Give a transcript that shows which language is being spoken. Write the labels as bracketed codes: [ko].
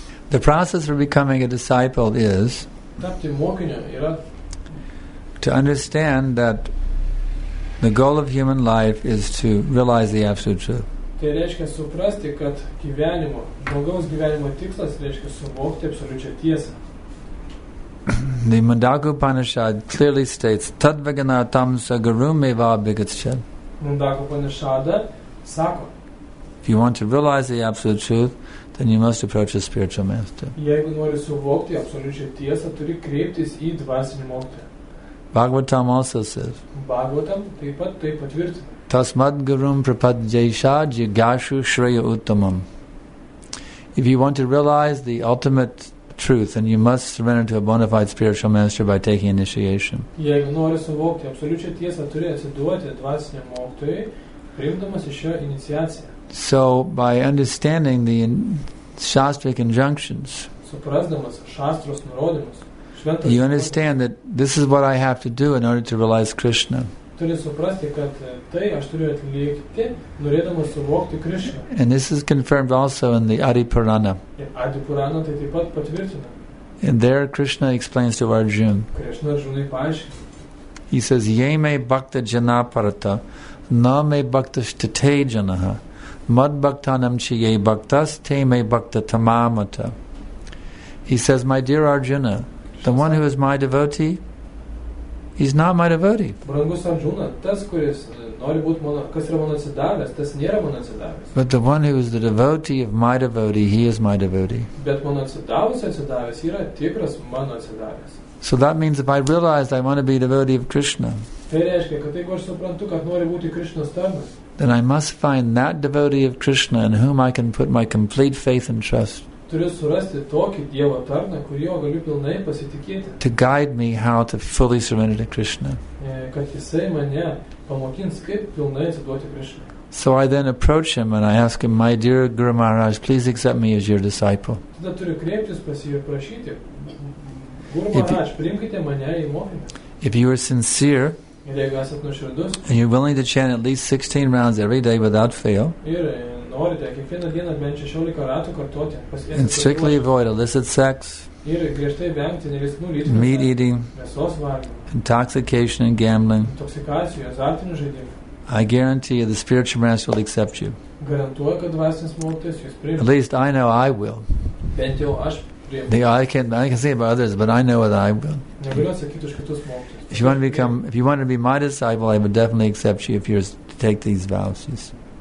[en] The process for becoming a disciple is to understand that the goal of human life is to realize the absolute truth. [lt] Tai reiškia suprasti, kad gyvenimo, žmogaus gyvenimo tikslas reiškia suvokti absoliučią tiesą. [en] The Mundaka Upanishad clearly states [sa] Tadvagana tamsa garume va bigatshad. [lt] Mundaka Upanishad sako, [en] if you want to realize the absolute truth, then you must approach a spiritual master. [lt] Jeigu nori suvokti absoliučią tiesą, turi kreiptis į dvasinį mokytoją. [en] Bhagavatam also says, [lt] Bhagavatam taip pat tai patvirtina. [sa] Tasmad gurum prapadjesha jigashu shreya uttamam. [en] If you want to realize the ultimate truth, then you must surrender to a bona fide spiritual master by taking initiation. [lt] Jeigu nori suvokti absoliučią tiesą, turi atsiduoti dvasiniam mokytojui, priimdamas iš jo iniciaciją. [en] So, by understanding the shastric injunctions, [lt] suprasdamas šastros nurodymus, [en] you understand that this is what I have to do in order to realize Krishna. [lt] Turi suprasti, kad tai aš turiu atlikti, norėdamas suvokti Krishna. [en] And this is confirmed also in the Adi Purana. [lt] Adi Purana tai taip pat patvirtina. [en] And there Krishna explains to Arjuna. [lt] Krishna Arjuna paaiškina. [en] He says, [sa] yeme bhakta jana parata, na me bhakta shtate janaha, mad bhaktanam chi ye bhaktas, te me bhakta tamamata. [en] He says, my dear Arjuna, the one who is my devotee, he's not my devotee. [lt] Brangus Arjuna, tas, kuris nori būti mano, kas yra mano atsidavęs, tas nėra mano atsidavęs. [en] But the one who is the devotee of my devotee, he is my devotee. [lt] Bet mano atsidavęs yra tikras mano atsidavęs. [en] So that means if I realize I want to be a devotee of Krishna, [lt] tai reiškia, kad jeigu aš suprantu, kad nori būti Krishnos tarnas, [en] then I must find that devotee of Krishna in whom I can put my complete faith and trust. [lt] Turiu surasti tokį Dievo tarną, kurio galiu pilnai pasitikėti. [en] To guide me how to fully surrender to Krishna. [lt] Kad jisai mane pamokins, kaip pilnai atsiduoti Krishna. [en] So I then approach him and I ask him, my dear Guru Maharaj, please accept me as your disciple. [lt] Tada turiu kreiptis pas jį ir prašyti, Guru Maharaj, priimkite mane į mokymą. [en] If you are sincere, [lt] ir jeigu esat nuširdus, [en] and you're willing to chant at least 16 rounds every day without fail, [lt] ir norite kiekvieną dieną bent 16 ratų kartoti, [en] and strictly avoid illicit sex, [lt] ir griežtai vengti nevisnų lytinių, [en] meat eating, [lt] mėsos valgymo, [en] intoxication and gambling, [lt] intoksikacijų, azartinių žaidimų, [en] I guarantee you the spiritual master will accept you. [lt] Garantuoju, kad dvasinis mokytojas jus priims. [en] At least I know I will. [lt] Bent jau aš. [en] I can say about others, but I know that I will. If you want to be my disciple, I would definitely accept you if you're to take these vows. Yes.